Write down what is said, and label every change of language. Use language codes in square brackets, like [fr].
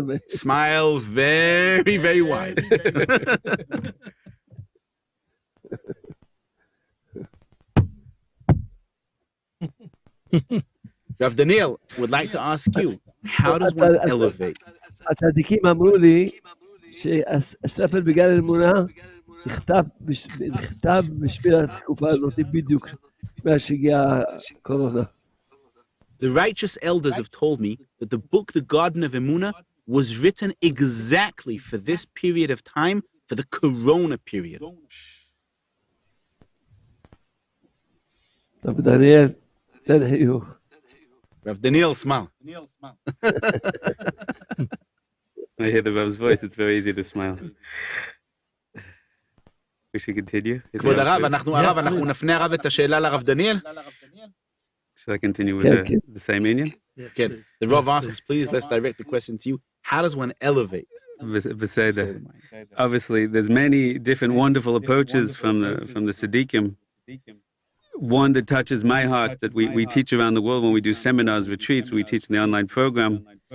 [en] Smile very, very wide. Rav Daniel would like to ask you, how does one elevate? [he] הצדיקים אמרו לי שהספר בגלל אמונה נכתב בשביל התקופה הזאת בדיוק מאז שהגיעה הקורונה. [en] The righteous elders have told me that the book, The Garden of Emuna, was written exactly for this period of time, for the Corona period. Rav Daniel, tell you. Rav Daniel, smile. When I hear the Rav's voice, it's very easy to smile. We should continue. [he] כבוד הרב, אנחנו הרב, אנחנו נפנה הרב את השאלה לרב דניאל. [en] Should I continue with the same Indian? Yes. The Rav asks, please, let's direct the question to you. How does one elevate? Beseda. Obviously, there's many different wonderful approaches from the Siddiqim. One that touches my heart that we teach around the world when we do seminars, retreats, we teach in the online program.